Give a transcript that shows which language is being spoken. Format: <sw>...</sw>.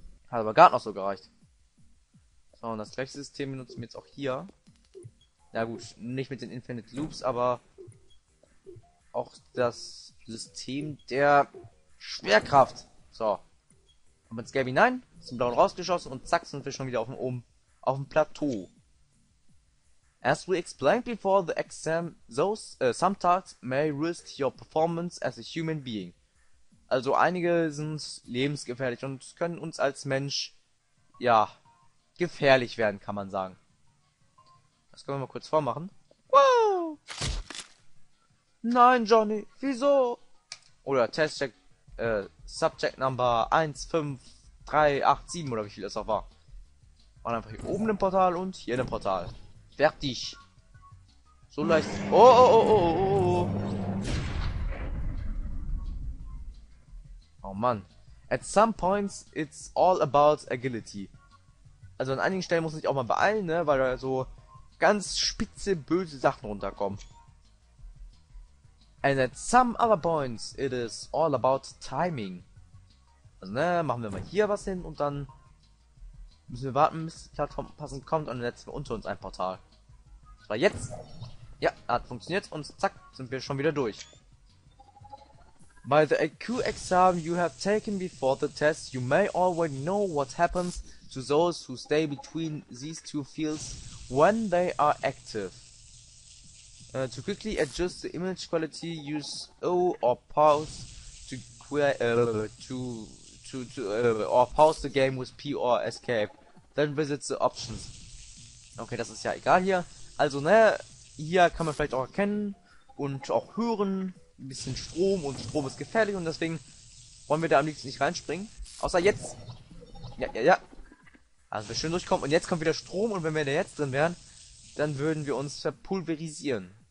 <de>Hat aber gerade noch so gereicht. So, und das gleiche System benutzen wir jetzt auch hier. Na gut, nicht mit den Infinite Loops, aber auch das System der Schwerkraft. So. Und mit Scabby 9, zum Blauen rausgeschossen und zack, sind wir schon wieder auf dem oben, auf dem Plateau.</de> <en>As we explained before the exam, those some tasks may risk your performance as a human being.</en> <de>Also einige sind lebensgefährlich und können uns als Mensch, ja, gefährlich werden, kann man sagen. Das können wir mal kurz vormachen. Wow! Nein, Johnny, wieso? Oder Testcheck. Subject Number 15387 oder wie viel das auch war. Und einfach hier oben im Portal und hier im Portal. Fertig. So leicht. Oh, oh, oh, oh, oh, oh. Oh Mann.</de> <en>At some points it's all about agility.</en> <de>Also an einigen Stellen muss ich auch mal beeilen, ne? Weil da so ganz spitze, böse Sachen runterkommen.</de> <en>And at some other points it is all about timing.</en> <de>Also, ne, machen wir mal hier was hin und dann müssen wir warten, bis die Plattform passend kommt und dann setzen wir unter uns ein Portal. Aber jetzt. Ja, hat funktioniert und zack, sind wir schon wieder durch.</de> <en>By the IQ exam you have taken before the test, you may already know what happens to those who stay between these two fields when they are active. To quickly adjust the image quality, use O or pause or pause the game with P or escape. Then visit the options.</en> <de>Okay, das ist ja egal hier. Also, ne, hier kann man vielleicht auch erkennen und auch hören. Ein bisschen Strom und Strom ist gefährlich und deswegen wollen wir da am liebsten nicht reinspringen. Außer jetzt. Ja, ja, ja. Also, wir schön durchkommen und jetzt kommt wieder Strom und wenn wir da jetzt drin wären, dann würden wir uns verpulverisieren.</de>